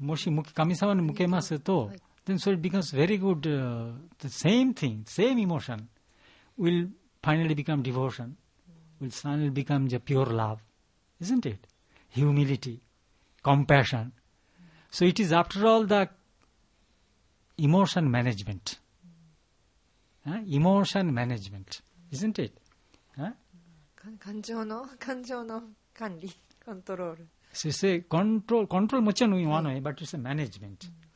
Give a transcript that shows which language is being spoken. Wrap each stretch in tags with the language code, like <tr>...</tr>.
<ja>Moshi kamisama ni mukemasu to,</ja> <en>then so it becomes very good, the same thing, same emotion will finally become devotion. Will suddenly become the pure love, isn't it? Humility, compassion. So it is after all the emotion management. Emotion management, isn't it?</en> <ja>感情の、感情の管理、コントロール。</ja> <en>So you say control, control もちろん in one way, but it's a management.</en>